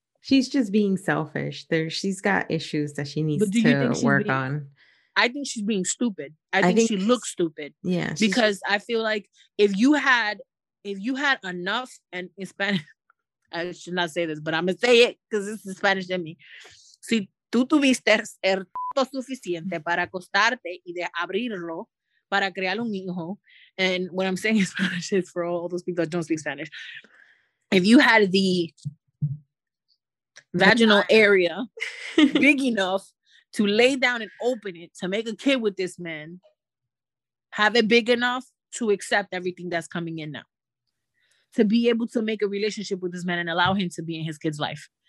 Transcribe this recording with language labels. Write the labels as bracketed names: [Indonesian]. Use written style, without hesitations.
[English] She's just being selfish. She's got issues that she needs to work on. I think she's being stupid. I think she looks stupid. Yeah. Because I feel like if you had enough, and in Spanish, I should not say this, but I'm going to say it because this is Spanish in me. [Spanish] Si tú tuviste el todo suficiente para acostarte y de abrirlo para crear un hijo. [English] And what I'm saying in Spanish is for all those people that don't speak Spanish. If you had the vaginal area big enough to lay down and open it to make a kid with this man, have it big enough to accept everything that's coming in now, to be able to make a relationship with this man and allow him to be in his kid's life.